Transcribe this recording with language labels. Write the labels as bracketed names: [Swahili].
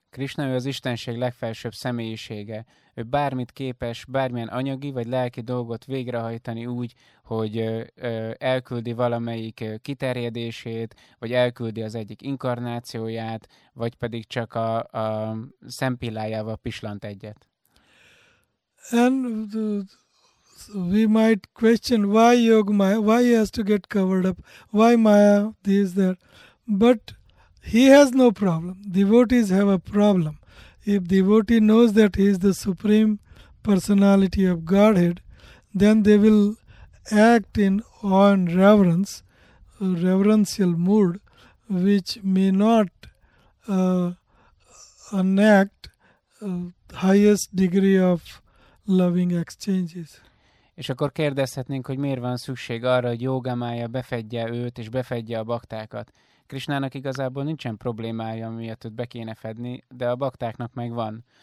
[Hungarian] Krishna az Istenség legfelsőbb személyisége. Ő bármit képes, bármilyen anyagi vagy lelki dolgot végrehajtani úgy, hogy elküldi valamelyik kiterjedését, vagy elküldi az egyik inkarnációját, vagy pedig csak a szempillájával pislant egyet. [English] And we might question why yoga maya, why he has to get covered up, why maya this there, but he has no problem. Devotees have a problem. If devotee knows that he is the supreme personality of Godhead, then they will act in awe and reverence, reverential mood, which may not enact highest degree of loving exchanges. [Hungarian] És akkor kérdezhetnénk, hogy miért van szükség arra, hogy jógamája befedje őt és befedje a baktákat. Krishnának igazából nincsen problémája, miatt őt be kéne fedni, de a baktáknak meg van.